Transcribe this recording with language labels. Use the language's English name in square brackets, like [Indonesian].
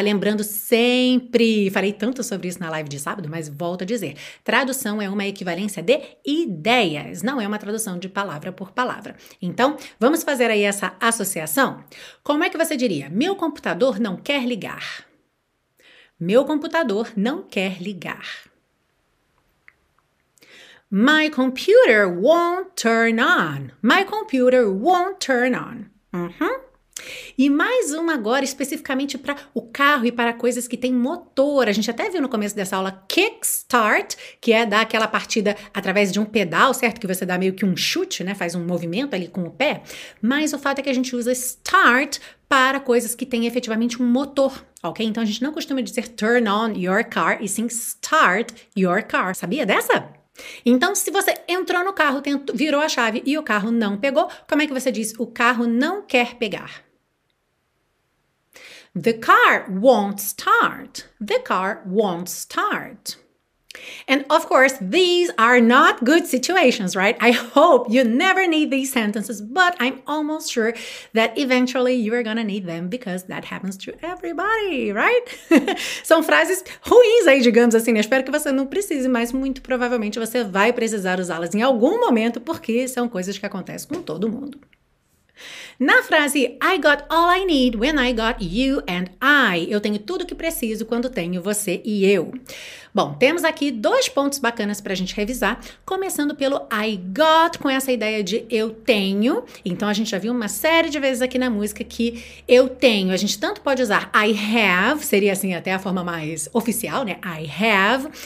[Portuguese] Lembrando sempre, falei tanto sobre isso na live de sábado, mas volto a dizer, tradução é uma equivalência de ideias, não é uma tradução de palavra por palavra. Então, vamos fazer aí essa associação? Como é que você diria? Meu computador não quer ligar. Meu computador não quer ligar. [English] My computer won't turn on. My computer won't turn on. Uhum. [Portuguese] E mais uma agora, especificamente para o carro e para coisas que têm motor. A gente até viu no começo dessa aula, kickstart, que é dar aquela partida através de um pedal, certo? Que você dá meio que um chute, né? Faz um movimento ali com o pé. Mas o fato é que a gente usa start para coisas que têm efetivamente um motor, ok? Então a gente não costuma dizer [English] turn on your car, [Portuguese] e sim [English] start your car. [Portuguese] Sabia dessa? Então, se você entrou no carro, virou a chave e o carro não pegou, como é que você diz? O carro não quer pegar. [English] The car won't start. The car won't start. And of course, these are not good situations, right? I hope you never need these sentences, but I'm almost sure that eventually you are gonna need them because that happens to everybody, right? [Portuguese] São frases ruins aí, digamos assim, né? Espero que você não precise, mas muito provavelmente você vai precisar usá-las em algum momento porque são coisas que acontecem com todo mundo. Na frase, [English] I got all I need when I got you and I. [Portuguese] Eu tenho tudo que preciso quando tenho você e eu. Bom, temos aqui dois pontos bacanas para a gente revisar. Começando pelo I got, com essa ideia de eu tenho. Então, a gente já viu uma série de vezes aqui na música que eu tenho. A gente tanto pode usar I have, seria assim até a forma mais oficial, né? I have.